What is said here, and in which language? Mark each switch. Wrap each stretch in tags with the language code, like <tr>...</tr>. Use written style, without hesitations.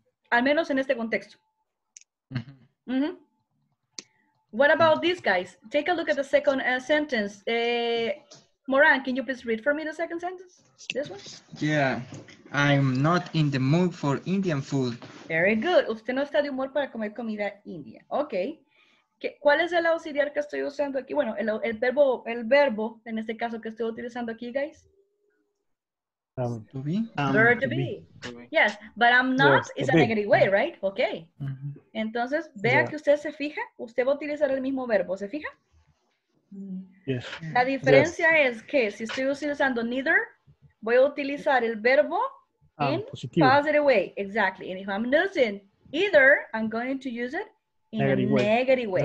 <es>Al menos en este contexto. Mm-hmm. Mm-hmm.</es> <en>What about this, guys? Take a look at the second sentence. Moran, can you please read for me the second sentence? This one? Yeah. I'm not in the mood for Indian food. Very good.</en> <es>Usted no está de humor para comer comida india. Okay. ¿Cuál es el auxiliar que estoy usando aquí? Bueno, el verbo, en este caso, que estoy utilizando aquí, guys.</es> <en>To be. To be. Yes, but I'm not is a negative way, right? Okay. Mm-hmm.</en> <es>Entonces, vea que usted se fija, usted va a utilizar el mismo verbo, ¿se fija?</es> <en>Yes.</en> <es>La diferencia es que si estoy utilizando neither, voy a utilizar el verbo</es> <en>in positive way. Exactly. And if I'm using either, I'm going to use it in a negative way.</en>